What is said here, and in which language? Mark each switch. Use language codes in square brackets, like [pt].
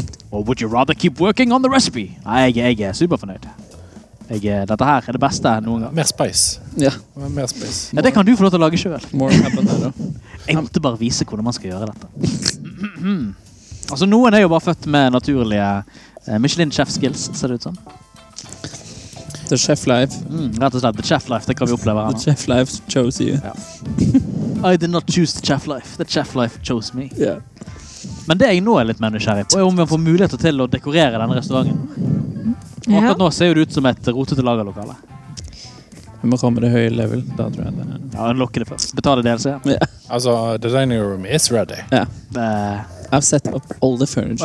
[en] Or would you rather keep working on the recipe? [no] Jeg er super fornøyd. Dette her er det beste noen gang. Mer spice. Ja. Mer spice. Ja, det kan du få lov til å lage selv. [en] More habanero. [no] Jeg måtte bare vise hvordan man skal gjøre dette. Altså, noen er jo bare født med naturlige Michelin-chef-skills, ser det ut som. [en] The chef life. [no] Rett og slett, [en] the chef life, [no] det kan vi oppleve her. [en] The chef life chose you. [no] Ja. [en] I did not choose the chef life. The chef life chose me. [no] Ja. Men det jeg nå er litt mer nysgjerrig på, er om vi får muligheter til å dekorere denne restauranten. Ja. Akkurat nå ser det ut som et rotete lagerlokale. Vi må komme det høye level, da tror jeg det er. Ja, unlocker det først. Betale DLC. Ja. Altså, [en] the dining room is ready. Ja. I've set up all the furniture.